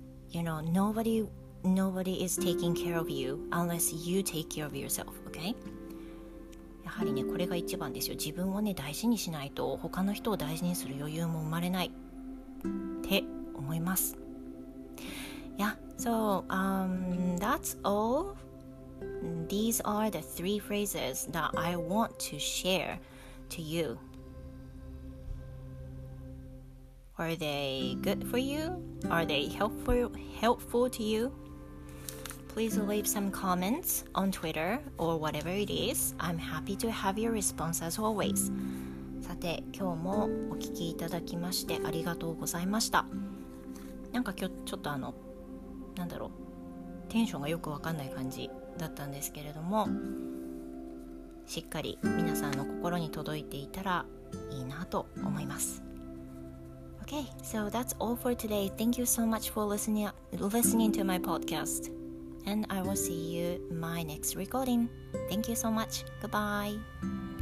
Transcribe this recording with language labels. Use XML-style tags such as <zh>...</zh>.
<en>You know, nobody is taking care of you unless you take care of yourself, okay?</en> <ja>やはりね、これが一番ですよ。自分をね、大事にしないと他の人を大事にする余裕も生まれないって思います。</ja> <en>Yeah, so, that's all. These are the three phrases that I want to share to you. Are they good for you? Are they helpful to you? Please leave some comments on Twitter or whatever it is. I'm happy to have your response as always.</en> <ja>さて、今日もお聞きいただきましてありがとうございました。なんか今日ちょっとテンションがよくわかんない感じだったんですけれども、しっかり皆さんの心に届いていたらいいなと思います。</ja> <en>Okay, so that's all for today. Thank you so much for listening to my podcast. And I will see you in my next recording. Thank you so much. Goodbye.</en>